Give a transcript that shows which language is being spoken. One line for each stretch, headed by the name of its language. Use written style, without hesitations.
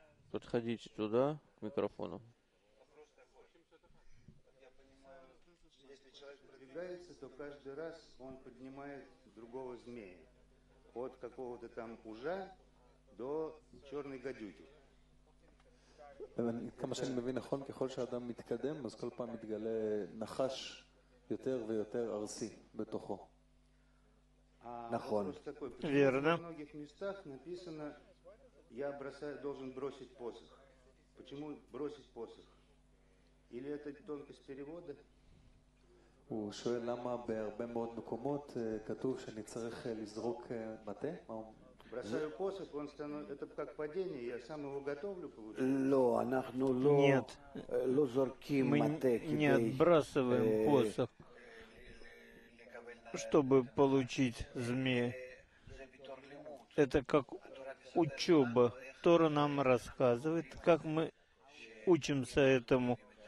Russian: Подходите туда, к микрофону. Если человек продвигается, то каждый раз он поднимает другого змея. От какого-то там ужа до черной гадюки.
Hebrew: כמה שאני מבין נכון, ככל שאדם מתקדם, אז כל פעם מתגלה נחש יותר ויותר ארסי בתוכו. נכון.
Russian: верно. В многих местах написано, я бросаю, должен бросить посох. Почему бросить посох? Или это тонкость перевода?
Hebrew: הוא שואל למה בהרבה מאוד מקומות כתוב שאני צריך לזרוק מטה?
Russian: Бросаю посох, он становится, это как падение, я сам его готовлю, получается? Нет, мы не отбрасываем посох, чтобы получить змея. Это как учеба. Тора нам рассказывает, как мы учимся этому.